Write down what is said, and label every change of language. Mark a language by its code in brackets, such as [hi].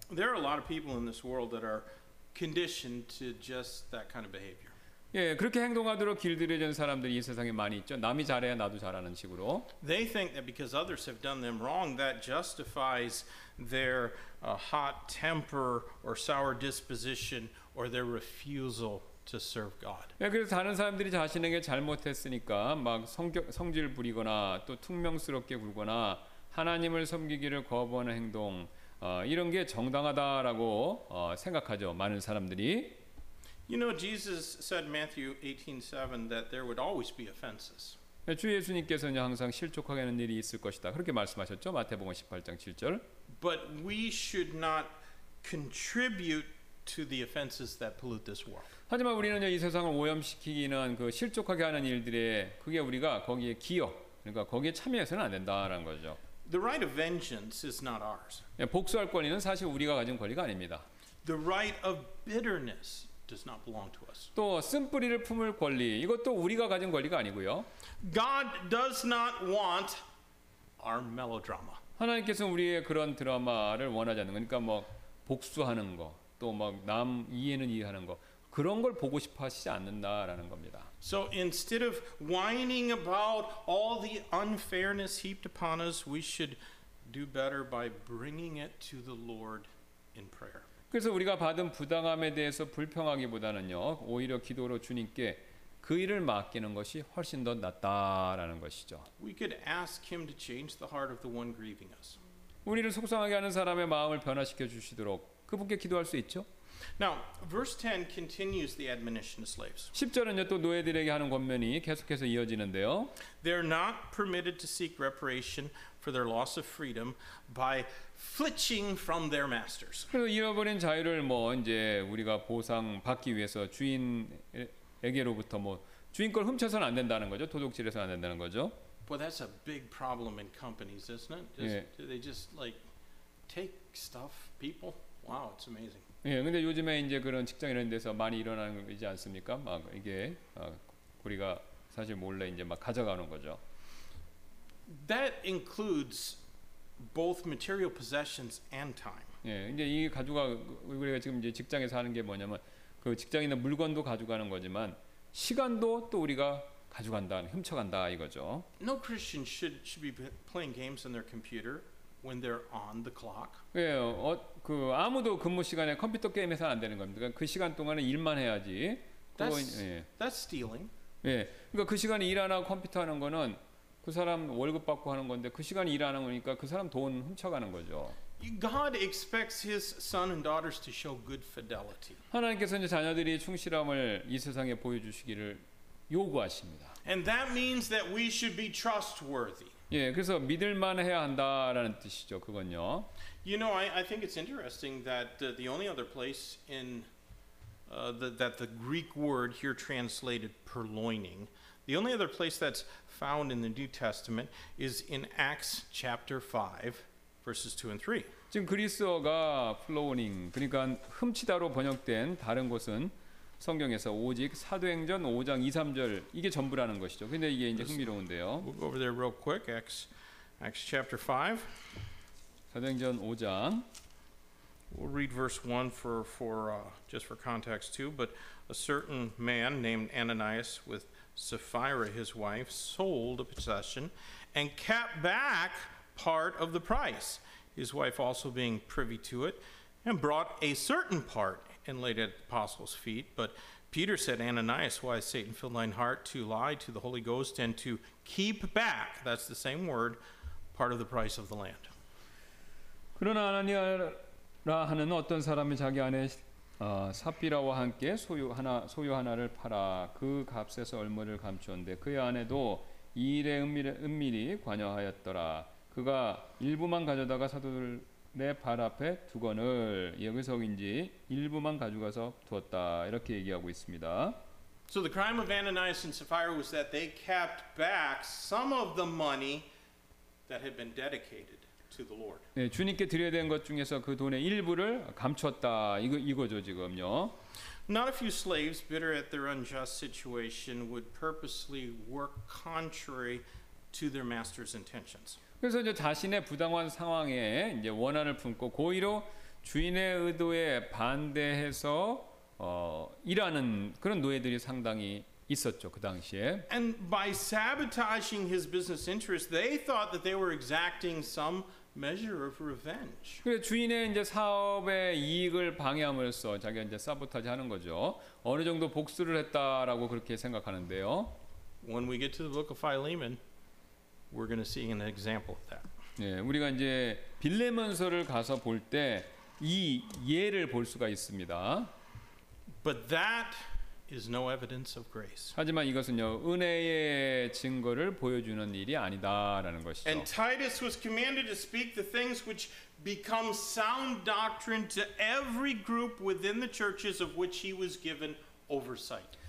[en] There are a lot of people in this world that are conditioned to just that kind of behavior. [ko] 예, 그렇게 행동하도록 길들여진 사람들이 이 세상에 많이 있죠. 남이 잘해야 나도 잘하는 식으로. [en] They think that because others have done them wrong, that justifies their hot temper or sour disposition or their refusal to serve God. [ko] 예, 그래서 다른 사람들이 자신에게 잘못했으니까 막 성질 부리거나 또 퉁명스럽게 굴거나 하나님을 섬기기를 거부하는 행동 이런 게 정당하다라고 생각하죠. 많은 사람들이. [en] You know, Jesus said in Matthew 18:7 that there would always be offenses. [ko] 주 예수님께서는 항상 실족하게 하는 일이 있을 것이다. 그렇게 말씀하셨죠. 마태복음 18장 7절. [en] But we should not contribute to the offenses that pollute this world. [ko] 하지만 우리는 이 세상을 오염시키기는 그 실족하게 하는 일들에 그게 우리가 거기에 기여 그러니까 거기에 참여해서는 안 된다라는 거죠. [en] The right of vengeance is not ours. [ko] 복수할 권리는 사실 우리가 가진 권리가 아닙니다. [en] The right of bitterness does not belong to us. [ko] 또 쓴뿌리를 품을 권리 이것도 우리가 가진 권리가 아니고요. [en] God does not want our melodrama. [ko] 하나님께서는 우리의 그런 드라마를 원하지 않는 거니까 뭐 복수하는 거 또 막 남 이해는 이해하는 거 그런 걸 보고 싶어 하시지 않는다라는 겁니다. [en] So instead of whining about all the unfairness heaped upon us, we should do better by bringing it to the Lord in prayer. [ko] 그래서 우리가 받은 부당함에 대해서 불평하기보다는요, 오히려 기도로 주님께 그 일을 맡기는 것이 훨씬 더 낫다라는 것이죠. [en] We could ask him to change the heart of the one grieving us. [ko] 우리를 속상하게 하는 사람의 마음을 변화시켜 주시도록 그분께 기도할 수 있죠. [en] Now, verse 10 continues the admonition to slaves. [ko] 10절은요, 또 노예들에게 하는 권면이 계속해서 이어지는데요. [en] They're not permitted to seek reparation for their loss of freedom by flinching from their masters. [ko] 그래서 잃어버린 자유를 뭐 이제 우리가 보상 받기 위해서 주인에게로부터 뭐 주인 걸 훔쳐서는 안 된다는 거죠. 도둑질해서 안 된다는 거죠. [en] Well, that's a big problem in companies, isn't it? Just, 예. Do they just like take stuff, people? Wow, it's amazing. [ko] 예, 근데 요즘에 이제 그런 직장 이런 데서 많이 일어나는 거지 않습니까? 막 이게 우리가 사실 몰래 이제 막 가져가는 거죠. [en] That includes both material possessions and time. [ko] 예, 이제 이 가져가 우리가 지금 이제 직장에서 하는 게 뭐냐면 그 직장에 있는 물건도 가져가는 거지만 시간도 또 우리가 가져간다, 훔쳐간다 이거죠. [en] No Christian should be playing games on their computer. When they're on the clock. [ko] 예, 그 아무도 근무 시간에 컴퓨터 게임에서 안 되는 겁니다. 그 시간 동안은 일만 해야지. [en] That's stealing. [ko] 예, 그러니까 그 시간에 일 안 하고 컴퓨터 하는 거는 그 사람 월급 받고 하는 건데 그 시간에 일 안 하는 거니까 그 사람 돈 훔쳐가는 거죠. [en] God expects His son and daughters to show good fidelity. [ko] 하나님께서 이제 자녀들이 충실함을 이 세상에 보여주시기를 요구하십니다. [en] And that means that we should be trustworthy. [ko] 예, 그래서 믿을만해야 한다라는 뜻이죠. 그건요. [en] You know, I think it's interesting that the only other place in that the Greek word here translated purloining, the only other place that's found in the New Testament is in Acts chapter 5, verses 2 and 3. [ko] 지금 그리스어가 purloining, 그러니까 훔치다로 번역된 다른 곳은 성경에서 오직 사도행전 5장 2, 3절 이게 전부라는 것이죠. 근데 이게 이제 흥미로운데요. [en] We'll go over there real quick. Acts chapter 5. [ko] 사도행전 5장. [en] We'll read verse 1 just for context too, but a certain man named Ananias with Sapphira his wife sold a possession and kept back part of the price. His wife also being privy to it and brought a certain part and laid at the apostles' feet. But Peter said, Ananias, why has Satan filled thine heart to lie to the Holy Ghost and to keep back, that's the same word, part of the price of the land. [ko] 그러나 아나니아라 하는 어떤 사람이 자기 아내 삽비라와 함께 소유 하나를 팔아 그 값에서 얼마를 감추었는데 그의 아내도 이 일에 은밀히 관여하였더라. 그가 일부만 가져다가 사도들 내 발 앞에 두건을 여기서인지 일부만 가져가서 두었다 이렇게 얘기하고 있습니다. [en] So the crime of Ananias and Sapphira was that they kept back some of the money that had been dedicated to the Lord. [ko] 네, 주님께 드려야 된 것 중에서 그 돈의 일부를 감췄다 이거죠 지금요. [en] Not a few slaves bitter at their unjust situation would purposely work contrary to their master's intentions. [ko] 그래서 이제 자신의 부당한 상황에 이제 원한을 품고 고의로 주인의 의도에 반대해서 일하는 그런 노예들이 상당히 있었죠 그 당시에. [en] And by sabotaging his business interests, they thought that they were exacting some measure of revenge. [ko] 그래 주인의 이제 사업의 이익을 방해함으로써 자기가 이제 사보타지하는 거죠. 어느 정도 복수를 했다라고 그렇게 생각하는데요. [en] When we get to the book of Philemon. We're going to see an example of that. [ko] 예, 우리가 이제 빌레몬서를 가서 볼 때 이 예를 볼 수가 있습니다. [en] But that is no evidence of grace. [ko] 하지만 이것은요 은혜의 증거를 보여주는 일이 아니다라는 것이죠. [en] And Titus was commanded to speak the things which become sound doctrine to every group within the churches of which he was given oversight.